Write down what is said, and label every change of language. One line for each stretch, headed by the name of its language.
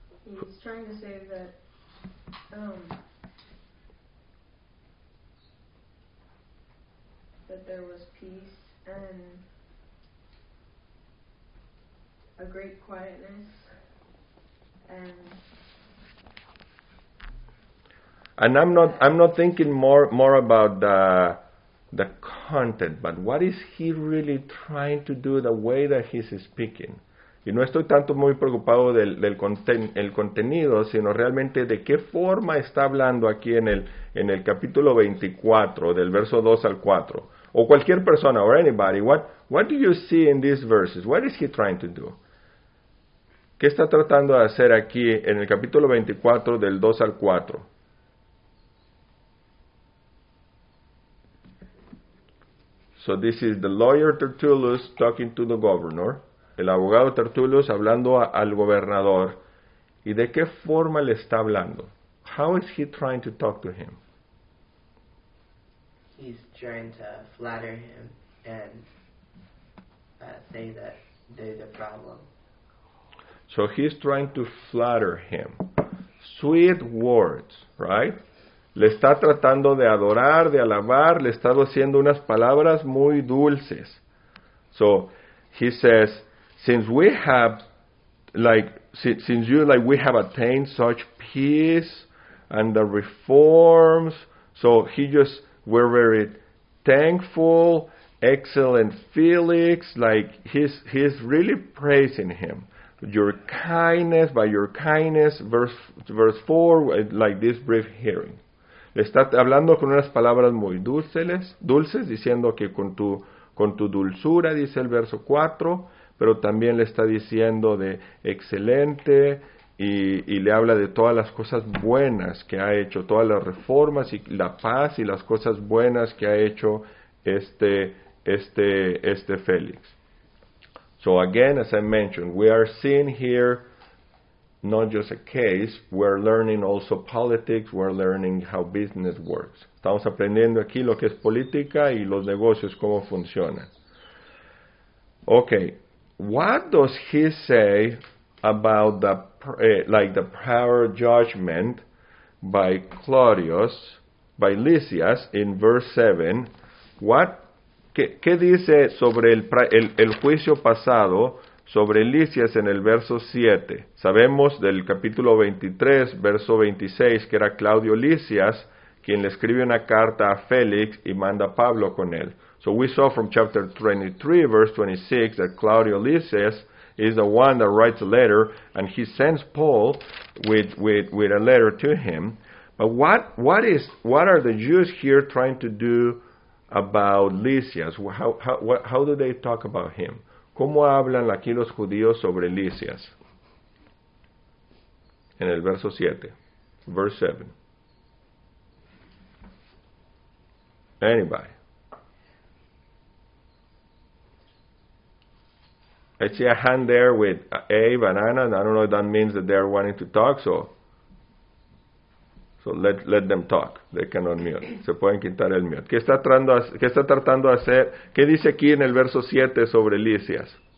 English: He's trying to say that that there was peace and a great quietness, and I'm not thinking more about the content, but what is he really trying to do, the way that he's speaking?
Spanish: Y no estoy tanto muy preocupado del contenido, sino realmente de qué forma está hablando aquí en el capítulo 24, del verso 2 al 4. O cualquier persona,
English: or anybody, what do you see in these verses? What is he trying to do?
Spanish: ¿Qué está tratando de hacer aquí en el capítulo 24, del 2 al 4?
English: So this is the lawyer Tertullus talking to the governor.
Spanish: El abogado Tertullus hablando al gobernador. ¿Y de qué forma le está hablando?
English: How is he trying to talk to him? He's he's trying to flatter him and say that they're the problem. So he's trying to flatter him. Sweet words, right?
Spanish: Le está tratando de adorar, de alabar, le está diciendo unas palabras muy dulces.
English: So, he says, since we have, like, since you, like, we have attained such peace and the reforms, so he just, we're very thankful, excellent Felix, like, he's really praising him. Your kindness, by your kindness, verse 4, like this brief hearing.
Spanish: Está hablando con unas palabras muy dulces, diciendo que con tu dulzura, dice el verso 4, pero también le está diciendo de excelente y le habla de todas las cosas buenas que ha hecho, todas las reformas y la paz y las cosas buenas que ha hecho este Félix.
English: So again, as I mentioned, we are seeing here not just a case, we're learning also politics, we're learning how business works.
Spanish: Estamos aprendiendo aquí lo que es política y los negocios, cómo funcionan.
English: Okay, what does he say about the prior judgment by Claudius, by Lysias, in verse 7?
Spanish: What, ¿qué dice sobre el juicio pasado? Sobre Lysias en el verso 7, sabemos del capítulo 23, verso 26, que era Claudio Lysias quien le escribe una carta a Félix y manda a Pablo con él.
English: So we saw from chapter 23, verse 26, that Claudio Lysias is the one that writes a letter, and he sends Paul with a letter to him. But what are the Jews here trying to do about Lysias? How do they talk about him?
Spanish: ¿Cómo hablan aquí los judíos sobre Lysias? En el verso 7.
English: Verse 7. Anybody. I see a hand there with a banana, and I don't know if that means that they're wanting to talk, so let them talk. They can unmute.
Spanish: Se pueden quitar el mute. ¿Qué está tratando de hacer? ¿Qué dice aquí en el verso 7 sobre Lysias?